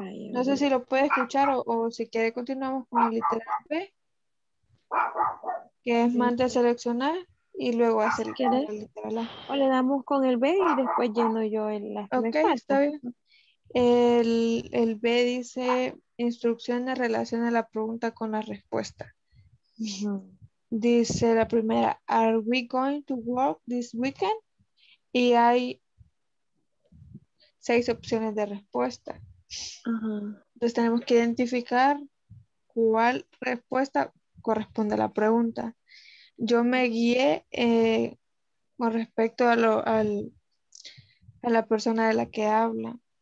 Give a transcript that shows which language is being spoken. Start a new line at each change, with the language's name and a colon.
Spanish: No sé si lo puede escuchar o si quiere continuamos con el literal B, que es más de seleccionar y luego hacer el literal A. O le damos con el B y después lleno yo las tres. Ok, está bien. El B dice instrucciones relaciona la pregunta con la respuesta. Dice la primera,
English: are we going to work this weekend?
Spanish: Y hay 6 opciones de respuesta. Entonces tenemos que identificar cuál respuesta corresponde a la pregunta. Yo me guié con respecto a, a la persona de la que habla.